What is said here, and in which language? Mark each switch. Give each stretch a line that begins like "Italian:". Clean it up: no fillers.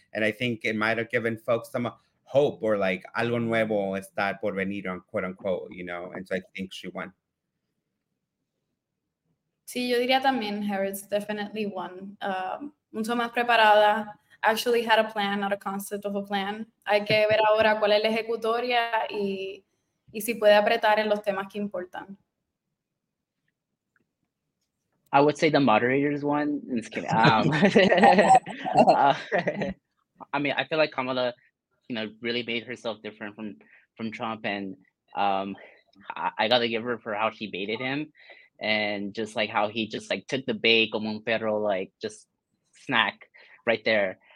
English: And I think it might've given folks some hope or like
Spanish: algo nuevo está por venir,
English: quote unquote, you know? And so I think she won.
Spanish: Sí, yo diría también Harris
English: definitely won.
Spanish: Mucho más preparada.
English: Actually had a plan, not a concept of a plan.
Spanish: Hay que ver ahora cuál es la ejecutoria y si puede apretar en los temas que importan.
English: I would say the moderators won. I'm just kidding. I mean, I feel like Kamala, you know, really made herself different from Trump, and I got to give her for how she baited him, and just like how he just like took the bait
Spanish: como un perro,
English: like just snack right there.